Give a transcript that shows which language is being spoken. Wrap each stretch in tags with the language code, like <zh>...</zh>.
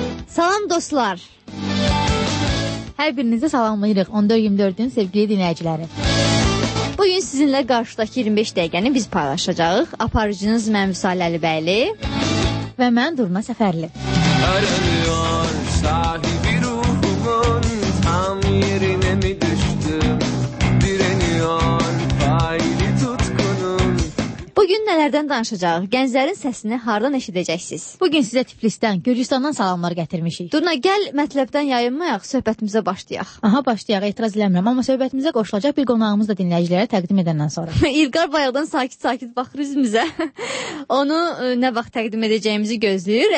<az>Salam dostlar. Hər birinizi salamlayırıq 14-24-ün sevgili dinləyiciləri. Bugün sizinlə qarşıdakı 25 dəqiqəni biz paylaşacağıq. Aparıcınız mən Vüsal Əlibəyli və mən Durna Səfərli.</az> <tr>Aranıyor sahibi ruhumun tam yerine mi düştüm? Direniyor faili tutkunun.</tr> <az>Bugün nələrdən danışacağıq? Gənclərin səsini hardan eşidəcəksiniz? Bugün sizə Tiflisdən, Gürcüstandan salamlar gətirmişik. Durna, gəl mətləbdən yayınmayaq, söhbətimizə başlayaq. Aha, başlayaq, etiraz eləmirəm. Amma söhbətimizə qoşulacaq bir qonağımız da dinləyicilərə təqdim edəndən sonra. İlqar bayaqdan sakit-sakit baxır üzümüzə. Onu nə vaxt təqdim edəcəyimizi gözləyir.</az>